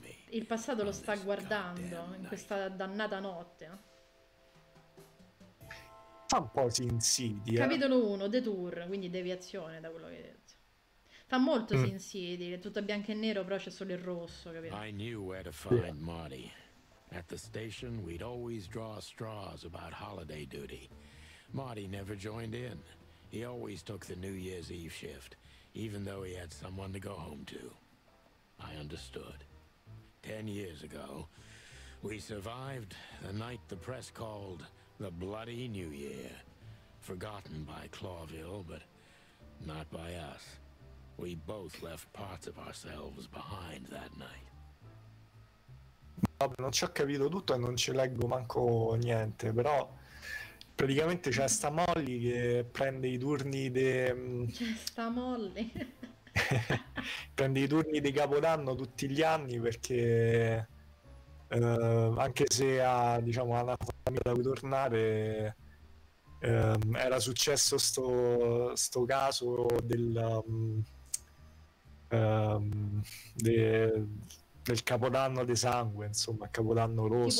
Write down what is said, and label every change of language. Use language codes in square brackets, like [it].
[it] Il passato lo sta guardando in questa dannata notte. fa un po' Sin City, capitolo 1, The Tour, quindi deviazione da quello che hai detto. Fa molto Sin City, è tutto bianco e nero, però c'è solo il rosso, capito? [en] I knew where to find Marty. At the station we'd always draw straws about holiday duty. Marty never joined in. He always took the New Year's Eve shift, even though he had someone to go home to. I understood. 10 years ago, we survived the night the press called the Bloody New Year. Forgotten by Clawville, but not by us. We both left parts of ourselves behind that night. [it] Vabbè, non ci ho capito tutto e non ci leggo manco niente, però praticamente c'è sta Molly che prende i turni prende i turni di Capodanno tutti gli anni, perché anche se ha, diciamo, una famiglia da cui tornare, era successo sto caso del Capodanno di sangue, insomma, Capodanno rosso,